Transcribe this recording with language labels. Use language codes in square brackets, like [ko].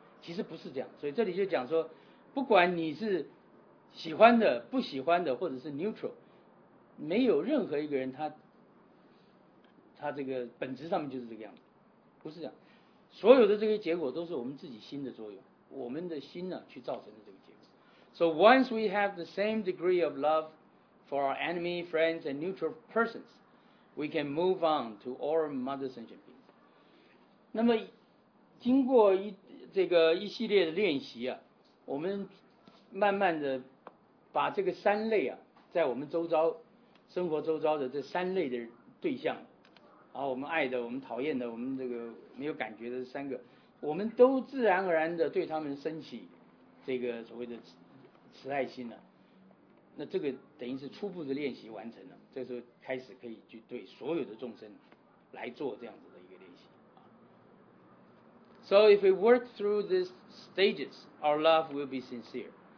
[zh] 其实不是这样，所以这里就讲说，不管你是喜欢的、不喜欢的，或者是 neutral， 没有任何一个人他这个本质上面就是这个样子，不是这样。所有的这些结果都是我们自己心的作用，我们的心呢去造成的这个结果。 [en] So once we have the same degree of love for our enemy, friends, and neutral persons, we can move on to all mother sentient beings. [zh] 那么经过一系列的练习啊，我们慢慢的把这个三类啊，在我们周遭生活周遭的这三类的对象，然后我们爱的、我们讨厌的、我们这个没有感觉的三个，我们都自然而然的对他们升起这个所谓的慈爱心了。那这个等于是初步的练习完成了，这时候开始可以去对所有的众生来做这样子的一个练习。 [en] So if we work through these stages, our love will be sincere.